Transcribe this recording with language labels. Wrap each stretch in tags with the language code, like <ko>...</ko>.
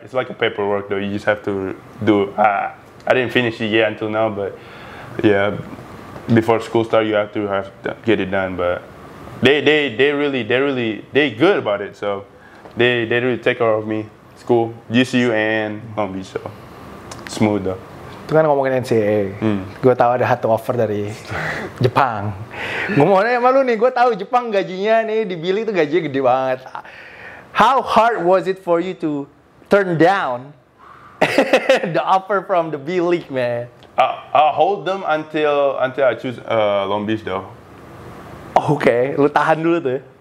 <en>It's like a paperwork though. You just have to do. I didn't finish it yet until now, but yeah, before school start, you have to get it done, but. They really good about it, so they really take care of me. School, GCU and Long Beach, so smooth though.</en> <id>Itu kan ngomongin NCAA, gue tahu ada satu offer dari Jepang. Gue mau nanya sama lu nih, gue tahu Jepang gajinya nih di billing tuh gajinya gede banget.</id> <en>How hard was it for you to turn down the offer from the billing, man? I'll hold them until I choose Long Beach though.</en> <id>Okay, lu tahan dulu tuh.</id>